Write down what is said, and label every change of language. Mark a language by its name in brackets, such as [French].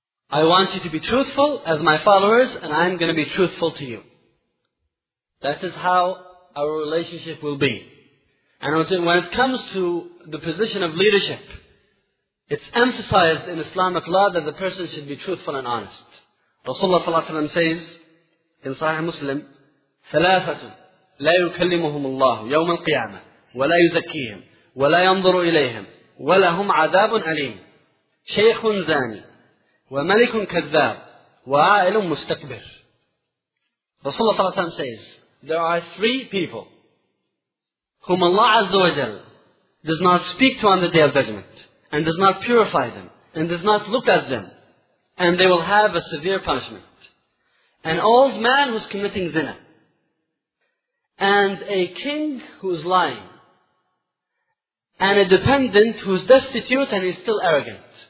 [English] I want you to be truthful as my followers and I'm going to be truthful to you. That is how our relationship will be. And when it comes to the position of leadership, it's emphasized in Islamic law that the person should be truthful and honest. Rasulullah sallallahu alaihi wasallam says in Sahih Muslim, [Arabic] ثَلَاثَةٌ لَا يُكَلِّمُهُمُ اللَّهُ يَوْمَ الْقِيَامَةِ وَلَا يُزَكِّيهِمْ وَلَا يَنْظُرُ إِلَيْهِمْ وَلَهُمْ عَذَابٌ أَلِيمٌ شَيْخٌ زَانِي وَمَلِكٌ كَذَّابٌ وَعَائِلٌ مُسْتَكْبِرٌ. [English] Rasulullah sallallahu alaihi wasallam says, there are three people whom Allah Azza wa Jal does not speak to on the Day of Judgment and does not purify them and does not look at them, and they will have a severe punishment. An old man who's committing zina, and a king who's lying, and a dependent who's destitute and is still arrogant.